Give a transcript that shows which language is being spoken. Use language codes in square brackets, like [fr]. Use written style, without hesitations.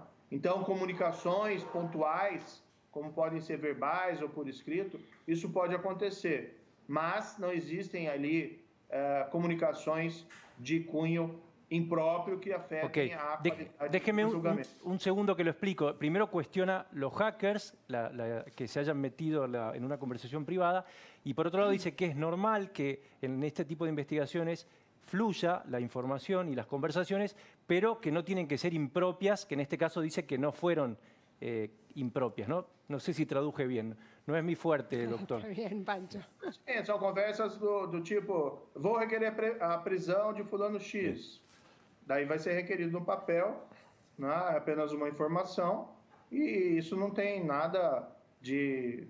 [pt] Então, comunicações pontuais, como podem ser verbais ou por escrito, isso pode acontecer, mas não existem ali comunicações de cunho impropio que afecta a qualidade do julgamento. [es] Déjeme un segundo que lo explico. Primero cuestiona los hackers, que se hayan metido en una conversación privada, y por otro lado dice que es normal que en este tipo de investigaciones fluya la información y las conversaciones, pero que no tienen que ser impropias, que en este caso dice que no fueron impropias, ¿no? No sé si traduje bien. No es mi fuerte, doctor. Está bien, Pancho. Sí, son [pt] conversas do tipo, [es] voy a requerir a prisión de fulano X. Sí. [pt] Daí vai ser requerido no papel, é apenas uma informação, e isso não tem nada de...